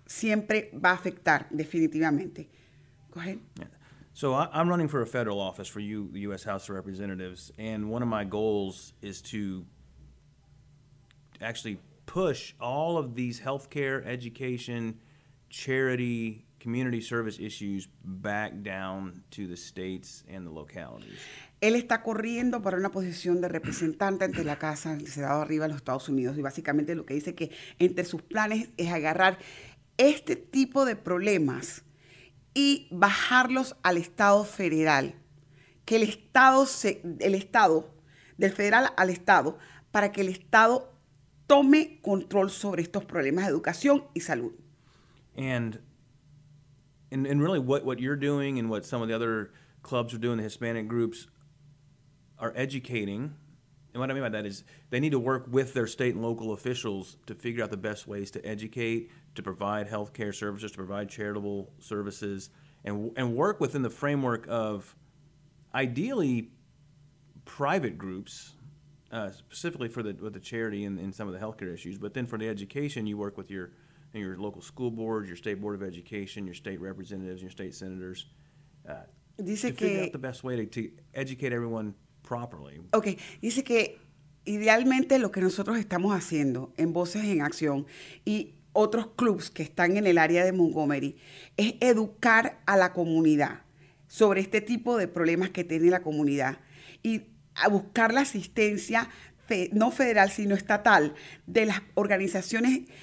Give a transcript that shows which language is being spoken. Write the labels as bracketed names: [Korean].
[Spanish] Siempre va a afectar, definitivamente. [English] Go ahead. Yeah. So I'm running for a federal office for you, the U.S. House of Representatives, and one of my goals is to actually push all of these healthcare, education, charity, community service issues back down to the states and the localities. [Spanish] Él está corriendo para una posición de representante ante la Casa del Senado arriba de los Estados Unidos. Y básicamente lo que dice que entre sus planes es agarrar este tipo de problemas y bajarlos al Estado federal. Que el Estado, del federal al Estado, para que el Estado tome control sobre estos problemas de educación y salud. [English] And really what you're doing and what some of the other clubs are doing, the Hispanic groups, are educating. And what I mean by that is they need to work with their state and local officials to figure out the best ways to educate, to provide health care services, to provide charitable services, and work within the framework of ideally private groups, specifically with the charity and some of the healthcare issues. But then for the education, you work with your local school board, your state board of education, your state representatives, your state senators, [Spanish] dice [English] to [Spanish] que, [English] figure out the best way to educate everyone properly. [Spanish] Okay, dice que idealmente lo que nosotros estamos haciendo en Voces en Acción y otros clubs que están en el área de Montgomery es educar a la comunidad sobre este tipo de problemas que tiene la comunidad y a buscar la asistencia no federal sino estatal de las organizaciones